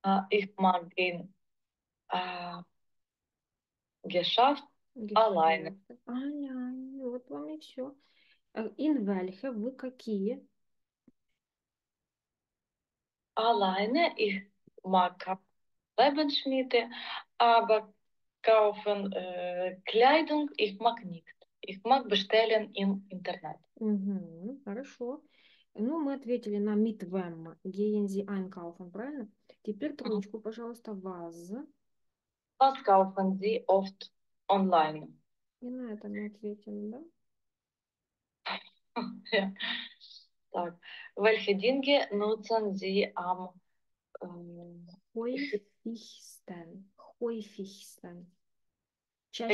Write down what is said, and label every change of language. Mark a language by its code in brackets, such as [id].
[de] Ich mag den Geschäft Geschäfte. allein. [ru] Ай-яй, вот вам и все. [de] In welche, [ru] вы какие? [de] Alleine ich mag Lebensmittel, aber kaufen Kleidung ich mag nicht. Ich mag bestellen im Internet. [ru] Хорошо. Ну, мы ответили на [de] Mitwem, Gehen Sie einkaufen, [ru] правильно? Теперь троечку, пожалуйста, вас. [de] Was kaufen Sie oft online? [ru] И на это мы ответим, да? Так, [de] welche Dinge nutzen Sie am Хойфихстен. Хойфихстен. [ru] Чаще